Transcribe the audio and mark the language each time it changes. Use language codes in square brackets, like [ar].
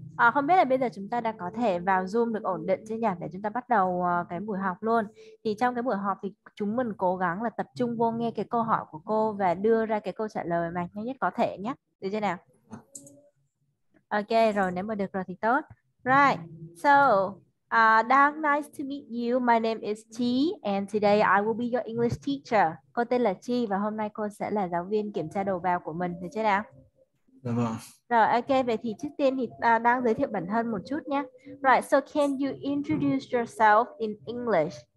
[vi] À, không biết là bây giờ chúng ta đã có thể vào Zoom được ổn định chưa nhỉ? Để chúng ta bắt đầu cái buổi học luôn. Thì trong cái buổi học thì chúng mình cố gắng là tập trung vô nghe cái câu hỏi của cô và đưa ra cái câu trả lời mà nhanh nhất có thể nhé. Được chưa nào? Ok, rồi nếu mà được rồi thì tốt. [en] Right, so Dan, nice to meet you. My name is Chi and today I will be your English teacher. [vi] Cô tên là Chi và hôm nay cô sẽ là giáo viên kiểm tra đầu vào của mình. Được chưa nào? Rồi, ok, vậy thì trước tiên thì đang giới thiệu bản thân một chút nhé. [en] Right, so can you introduce yourself in English?